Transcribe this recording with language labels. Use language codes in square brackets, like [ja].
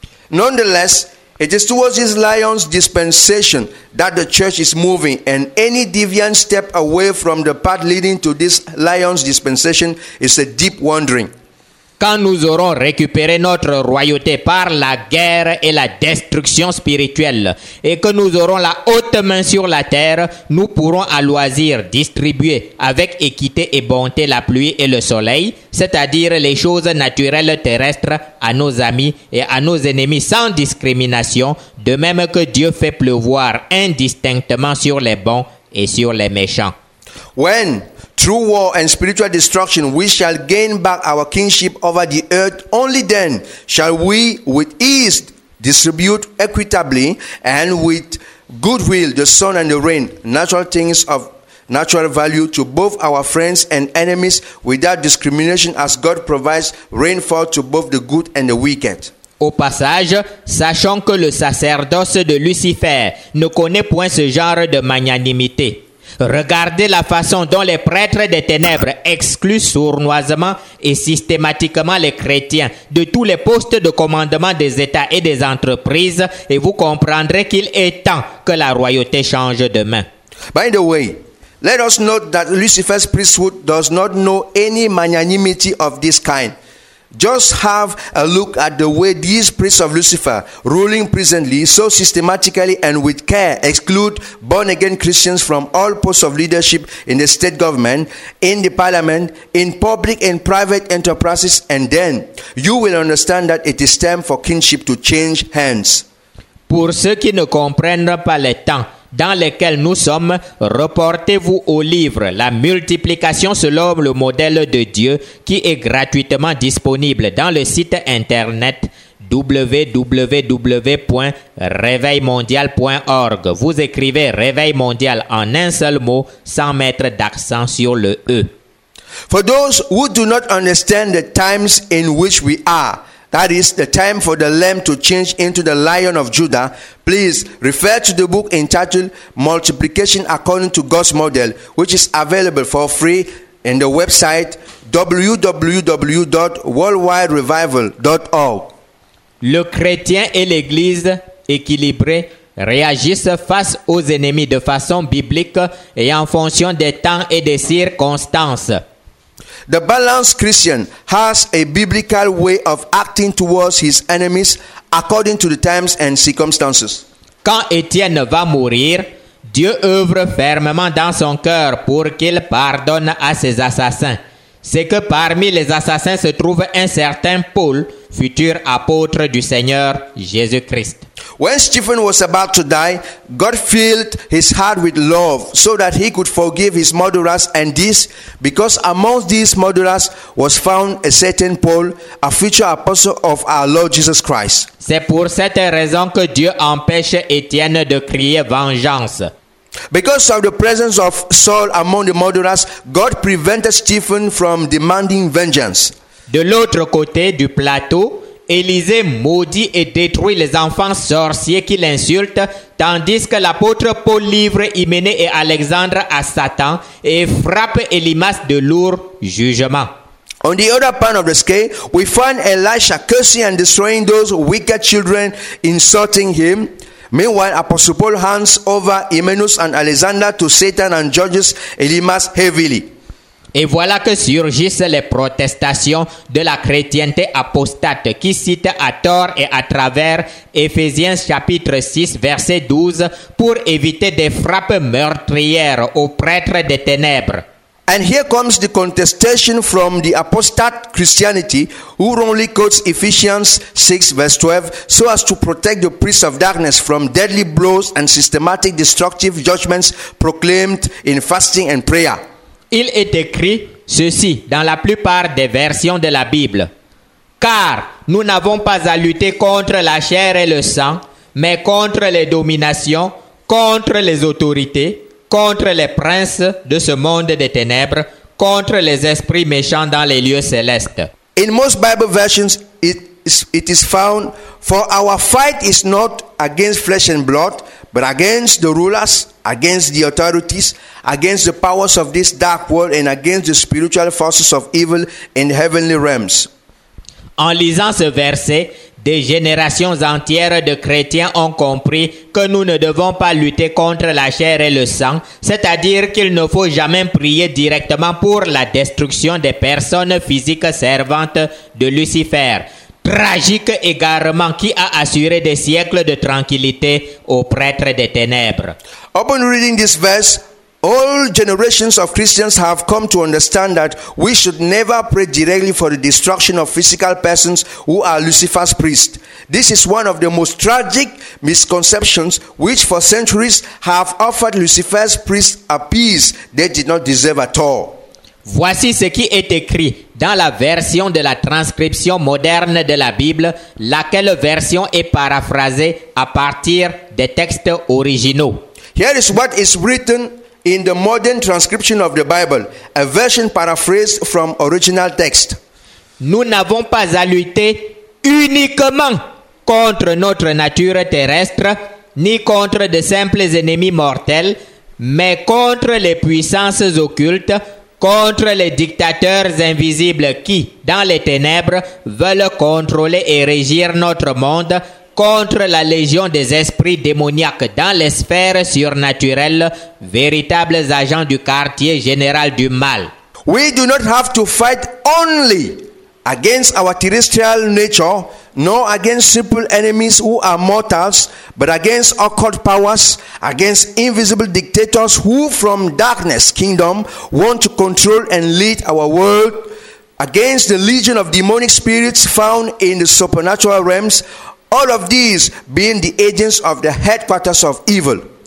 [en] Nonetheless, it is towards this lion's dispensation that the church is moving, and any deviant step away from the path leading to this lion's dispensation is a deep wandering. [fr] quand nous aurons récupéré notre royauté par la guerre et la destruction spirituelle, et que nous aurons la haute main sur la terre, nous pourrons à loisir distribuer avec équité et bonté la pluie et le soleil, c'est-à-dire les choses naturelles terrestres, à nos amis et à nos ennemis sans discrimination, de même que Dieu fait pleuvoir indistinctement sur les bons et sur les méchants. [en] When through war and spiritual destruction we shall gain back our kingship over the earth, only then shall we with ease distribute equitably and with goodwill the sun and the rain, natural things of natural value, to both our friends and enemies without discrimination, as God provides rainfall to both the good and the wicked. [fr] Au passage, sachant que le sacerdoce de Lucifer ne connaît point ce genre de magnanimité. Regardez la façon dont les prêtres des ténèbres excluent sournoisement et systématiquement les chrétiens de tous les postes de commandement des États et des entreprises, et vous comprendrez qu'il est temps que la royauté change de main. [en] By the way, let us note that Lucifer's priesthood does not know any magnanimity of this kind. Just have a look at the way these priests of Lucifer, ruling presently, so systematically and with care, exclude born-again Christians from all posts of leadership in the state government, in the parliament, in public and private enterprises, and then you will understand that it is time for kingship to change hands. [fr] Pour ceux qui ne comprennent pas les temps dans lesquels nous sommes, reportez-vous au livre « La multiplication selon le modèle de Dieu » qui est gratuitement disponible dans le site internet www.reveilmondial.org. Vous écrivez « Réveil mondial » en un seul mot sans mettre d'accent sur le « e ». [en] For those who do not understand the times in which we are, that is the time for the lamb to change into the lion of Judah, please refer to the book entitled Multiplication According to God's Model, which is available for free in the website www.worldwiderevival.org. [fr] Le chrétien et l'église équilibrée réagissent face aux ennemis de façon biblique et en fonction des temps et des circonstances. [en] The balanced Christian has a biblical way of acting towards his enemies according to the times and circumstances. [fr] Quand Étienne va mourir, Dieu œuvre fermement dans son cœur pour qu'il pardonne à ses assassins. C'est que parmi les assassins se trouve un certain Paul, futur apôtre du Seigneur Jésus-Christ. [en] When Stephen was about to die, God filled his heart with love so that he could forgive his murderers, and this because amongst these murderers was found a certain Paul, a future apostle of our Lord Jesus Christ. [fr] C'est pour cette raison que Dieu empêche Étienne de crier vengeance. [en] Because of the presence of Saul among the murderers, God prevented Stephen from demanding vengeance. [fr] De l'autre côté du plateau, Élisée maudit et détruit les enfants sorciers qui l'insultent, tandis que l'apôtre Paul livre Hyménée et Alexandre à Satan et frappe Élimas de lourds jugements. [en] On the other part of the scale, we find Elisha cursing and destroying those wicked children, insulting him. Meanwhile, Apostle Paul hands over Hyménée and Alexandre to Satan and judges Élimas heavily. [fr] Et voilà que surgissent les protestations de la chrétienté apostate qui cite à tort et à travers Éphésiens chapitre 6 verset 12 pour éviter des frappes meurtrières aux prêtres des ténèbres. [en] And here comes the contestation from the apostate Christianity who wrongly quotes Ephesians 6 verse 12 so as to protect the priests of darkness from deadly blows and systematic destructive judgments proclaimed in fasting and prayer. [fr] Il est écrit ceci dans la plupart des versions de la Bible. Car nous n'avons pas à lutter contre la chair et le sang, mais contre les dominations, contre les autorités, contre les princes de ce monde des ténèbres, contre les esprits méchants dans les lieux célestes. [en] In most Bible versions, it is found, for our fight is not against flesh and blood, but against the rulers, against the authorities, against the powers of this dark world and against the spiritual forces of evil in heavenly realms. [fr] En lisant ce verset, Des générations entières de chrétiens ont compris que nous ne devons pas lutter contre la chair et le sang, c'est-à-dire qu'il ne faut jamais prier directement pour la destruction des personnes physiques servantes de Lucifer. Tragique égarement qui a assuré des siècles de tranquillité aux prêtres des ténèbres. [en] Upon reading this verse, all generations of Christians have come to understand that we should never pray directly for the destruction of physical persons who are Lucifer's priests. This is one of the most tragic misconceptions which for centuries have offered Lucifer's priests a peace they did not deserve at all. [fr] Voici ce qui est écrit dans la version de la transcription moderne de la Bible, laquelle version est paraphrasée à partir des textes originaux. [en] Here is what is written in the modern transcription of the Bible, a version paraphrased from original text. [fr] Nous n'avons pas à lutter uniquement contre notre nature terrestre, ni contre de simples ennemis mortels, mais contre les puissances occultes, contre les dictateurs invisibles qui, dans les ténèbres, veulent contrôler et régir notre monde, contre la légion des esprits démoniaques dans les sphères surnaturelles, véritables agents du quartier général du mal. [en] We do not have to fight only against our terrestrial nature, nor against simple enemies who are mortals, but against occult powers, against invisible dictators who from darkness kingdom want to control and lead our world, against the legion of demonic spirits found in the supernatural realms, all of these being the agents of the headquarters of evil.